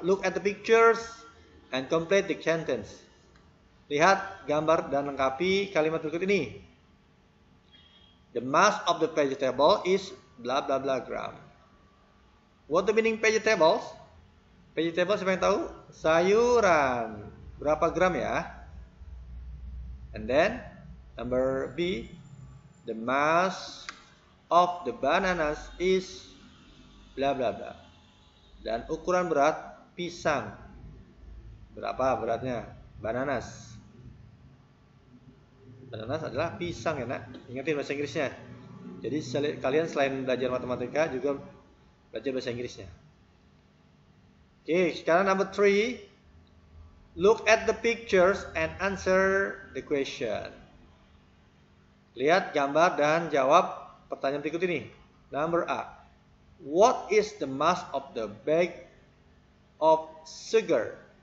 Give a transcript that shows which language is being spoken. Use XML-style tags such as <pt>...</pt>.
<en>Look at the pictures and complete the sentence.</en> <id>Lihat gambar dan lengkapi kalimat berikut ini.</id> <en>The mass of the vegetable is bla bla bla gram. What the meaning vegetables?</en> <id>Vegetable siapa yang tahu? Sayuran. Berapa gram ya?</id> <en>And then number B, the mass of the bananas is bla bla bla.</en> <id>Dan ukuran berat pisang. Berapa beratnya? Bananas. Bananas adalah pisang ya, Nak. Ingatin bahasa Inggrisnya. Jadi kalian selain belajar matematika juga belajar bahasa Inggrisnya. Oke, sekarang number 3.</id> <en>Look at the pictures and answer the question.</en> <id>Lihat gambar dan jawab pertanyaan berikut ini. Number A.</id> <en>What is the mass of the bag of sugar?</en>